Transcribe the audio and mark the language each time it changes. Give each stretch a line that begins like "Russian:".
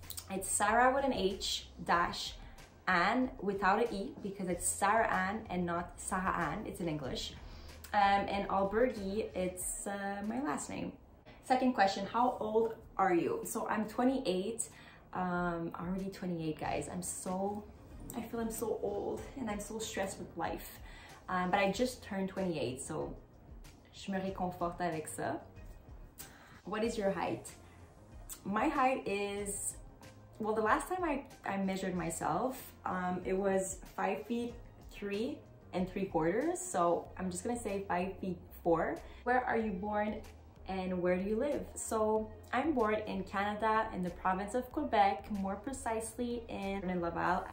English: It's Sarah with an H dash Ann without an E, because it's Sarah Ann and not Sarah Ann, it's in English. And Alberghi, it's my last name. Second question, how old are you? So I'm 28, already 28, guys. I feel I'm so old and I'm so stressed with life. But I just turned 28, so
French: je me réconforte avec ça.
English: What is your height? My height is, well, the last time I measured myself, it was 5'3¾". So I'm just gonna say 5'4". Where are you born? And where do you live? So I'm born in Canada, in the province of Quebec, more precisely in Laval.